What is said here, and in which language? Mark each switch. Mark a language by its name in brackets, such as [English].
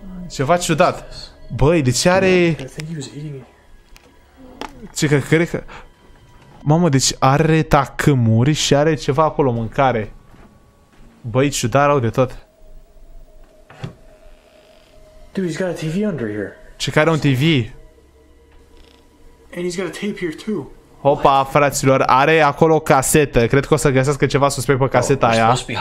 [Romanian] Ceva ciudat. Băi, de ce are... Ce, că cred că... Mamă, deci are tacâmuri și are ceva acolo, mâncare. Băi, ciudat rău de tot. [English] Dude, he's got a TV under here. [Romanian] Și care are un TV. [English] And he's got a tape here too. [Romanian] Hopa, fraților, are acolo casetă. Cred că o să găsească ceva suspect pe caseta aia.